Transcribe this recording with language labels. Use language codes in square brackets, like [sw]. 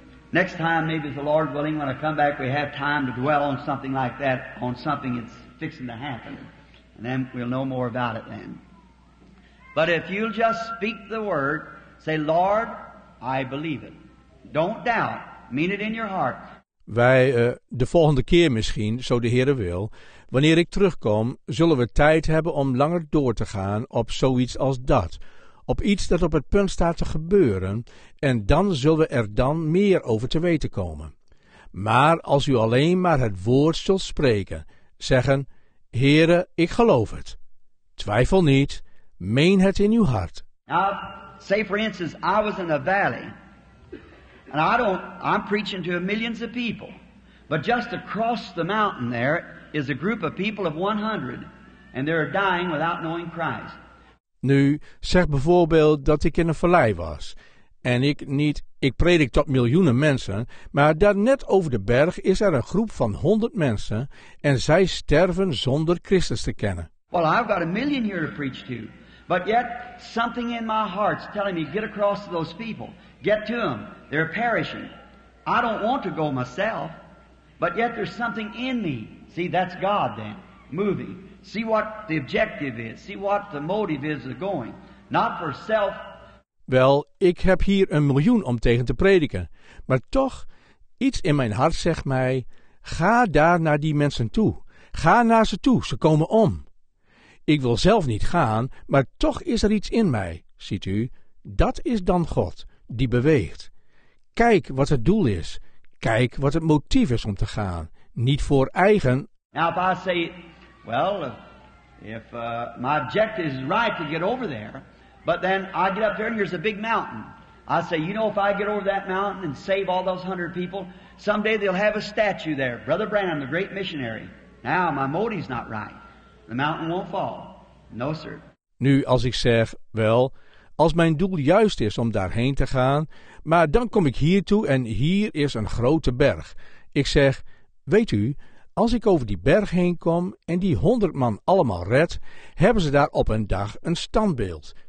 [en] Next time, maybe if the Lord willing, when I come back, we have time to dwell on something like that, on something that's fixing to happen. And then we'll know more about it then. But if you'll just speak the word, say, Lord, I believe it. Don't doubt. Mean it in your heart. [nl] Wij, de volgende keer misschien, zo de Heere wil, wanneer ik terugkom, zullen we tijd hebben om langer door te gaan op zoiets als dat. Op iets dat op het punt staat te gebeuren en dan zullen we er dan meer over te weten komen. Maar als u alleen maar het woord zult spreken, zeggen, Heere, ik geloof het. Twijfel niet, meen het in uw hart. [en] Now, say for instance, I was in a valley. And I'm preaching to millions of people. But just across the mountain there is a group of people of 100. And they're dying without knowing Christ. [nl] Nu, zeg bijvoorbeeld dat ik in een vallei was. En ik predik tot miljoenen mensen. Maar daar net over de berg is er een groep van 100 mensen. En zij sterven zonder Christus te kennen. [en] Well, I've got a million here to preach to. But yet, something in my heart's telling me, get across to those people. Get to them. They're perishing. I don't want to go myself. But yet there's something in me. See, that's God then, moving. See what the objective is. See what the motive is of going. Not for self. [nl] Wel, ik heb hier een miljoen om tegen te prediken. Maar toch, iets in mijn hart zegt mij, ga daar naar die mensen toe. Ga naar ze toe, ze komen om. Ik wil zelf niet gaan, maar toch is er iets in mij, ziet u. Dat is dan God, die beweegt. Kijk wat het doel is. Kijk wat het motief is om te gaan. Niet voor eigen. [en] Now if I say, well, if my objective is right to get over there, but then I get up there and there's a big mountain. I say, you know, if I get over that mountain and save all those 100 people, someday they'll have a statue there. Brother Branham, the great missionary. Now, my motive's not right. The mountain won't fall. No, sir. [nl] Nu, als ik zeg, wel, als mijn doel juist is om daarheen te gaan, maar dan kom ik hier toe en hier is een grote berg. Ik zeg, weet u, als ik over die berg heen kom en die 100 man allemaal red, hebben ze daar op een dag een standbeeld.